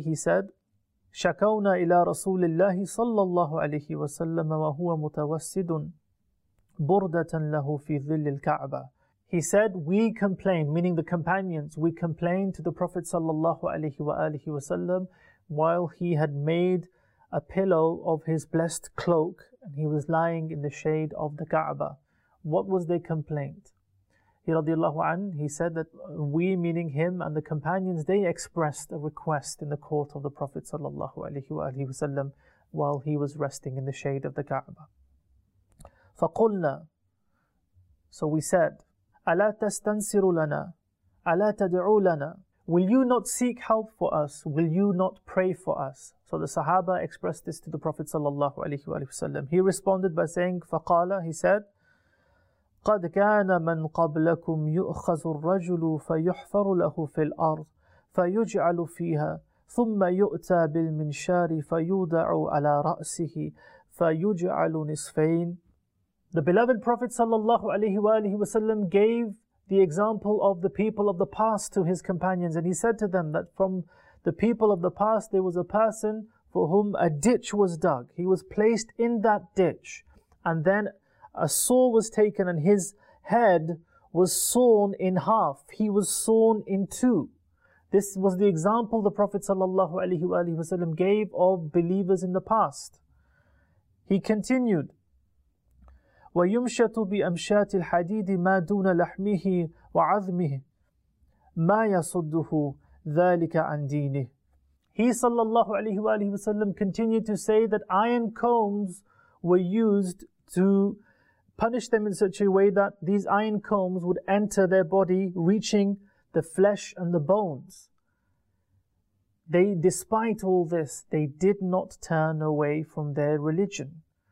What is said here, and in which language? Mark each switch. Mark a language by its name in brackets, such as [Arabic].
[English] He said, [Arabic] شكونا إلى رسول الله صلى الله عليه وسلم وهو متوسد بردة له في ظل الكعبة. [English] He said, we complained, meaning the companions, we complained to the Prophet [Arabic] صلى الله عليه وآله وسلم [English] while he had made a pillow of his blessed cloak and he was lying in the shade of the Kaaba. What was their complaint? He said that we, meaning him and the companions, they expressed a request in the court of the Prophet sallallahu alaihi wasallam while he was resting in the shade of the Kaaba. [Arabic] فَقُلْنَا. [English] So we said, [Arabic] أَلَا تَسْتَنْسِرُ لَنَا أَلَا تَدْعُو لَنَا. [English] Will you not seek help for us? Will you not pray for us? So the Sahaba expressed this to the Prophet sallallahu alaihi wasallam. He responded by saying, [Arabic] فَقَالَ. [English] He said, [Arabic] قَدْ كَانَ مَنْ قَبْلَكُمْ يُؤْخَذُ الرَّجُلُ فَيُحْفَرُ لَهُ فِي الْأَرْضِ فَيُجْعَلُ فِيهَا ثُمَّ يُؤْتَى بِالْمِنْشَارِ فَيُوْدَعُ عَلَىٰ رَأْسِهِ فَيُجْعَلُ نِصْفَيْنِ. [English] The beloved Prophet sallallahu alayhi wa alihi wasallam gave the example of the people of the past to his companions, and he said to them that from the people of the past there was a person for whom a ditch was dug. He was placed in that ditch, and then a saw was taken and his head was sawn in half. He was sawn in two. This was the example the Prophet sallallahu alaihi wa alihi wasallam gave of believers in the past. He continued, [Arabic] ويمشط بأمشات الحديد ما دون لحمه وعظمه ما يصده ذلك عن دينه. [English] He sallallahu alayhi wa alayhi wa sallam continued to say that iron combs were used to punish them in such a way that these iron combs would enter their body, reaching the flesh and the bones. They, despite all this, they did not turn away from their religion.